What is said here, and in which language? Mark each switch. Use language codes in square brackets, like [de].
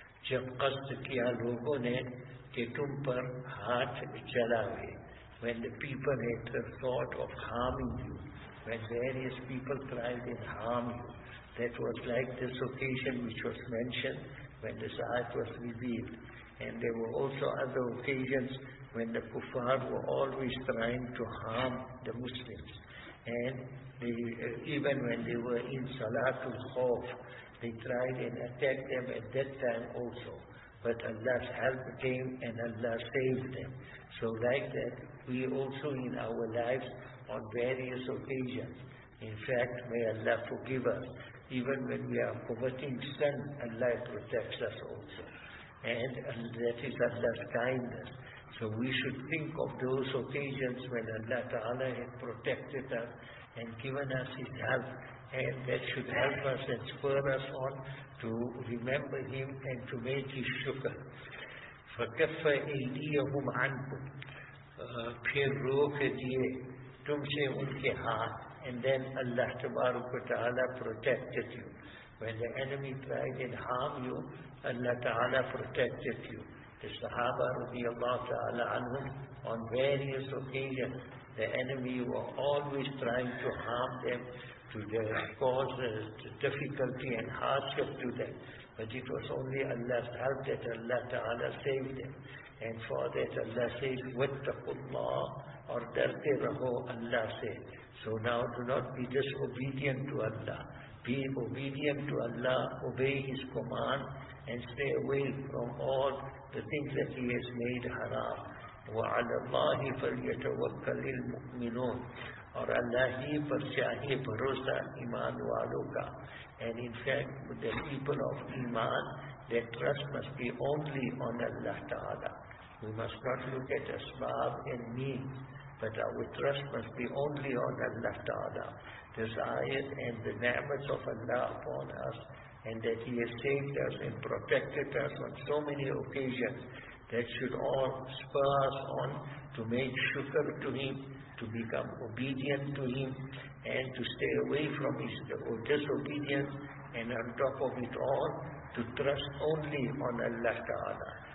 [ur] جب قصد کیا لوگوں نے کہ تم پر ہاتھ چلاوے. [en] When the people had the thought of harming you, when various people tried to harm you, that was like this occasion which was mentioned when this ayat was revealed. And there were also other occasions when the kuffar were always trying to harm the Muslims. And they, even when they were in Salatul Khawf, they tried and attacked them at that time also. But Allah's help came and Allah saved them. So like that, we also in our lives on various occasions. In fact, may Allah forgive us. Even when we are committing sin, Allah protects us also. And that is Allah's kindness. So we should think of those occasions when Allah Ta'ala had protected us and given us His help. And that should help us and spur us on to remember Him and to make His shukr. [ar] فَكَفَّ أَيْدِيَهُمْ عَنْكُمْ. [ur] پھر روک دیئے تم سے ان کے ہاتھ. [en] And then Allah Ta'ala protected you. When the enemy tried and harmed you, Allah Ta'ala protected you. The Sahaba radiallahu ta'ala anhum, on various occasions, the enemy were always trying to harm them, to cause difficulty and hardship to them. But it was only Allah's help that Allah Ta'ala saved them. And for that Allah says, "Wattaqullah," or [ur] darte raho [en] Allah said. So now do not be disobedient to Allah. Be obedient to Allah, obey His command, and stay away from all the things that He has made haram. [ar] وَعَلَى اللَّهِ فَلْيَتَوَكَّلِ الْمُؤْمِنُونَ. [ur] اور اللہ ہی پر چاہے بھروسہ ایمان والوں کا. [en] And in fact, the people of iman, their trust must be only on Allah Ta'ala. We must not look at asbab and means, but our trust must be only on Allah Ta'ala. This ayat and the ni'mat of Allah upon us, and that He has saved us and protected us on so many occasions, that should all spur us on to make shukr to Him, to become obedient to Him, and to stay away from His disobedience, and on top of it all, to trust only on Allah Ta'ala.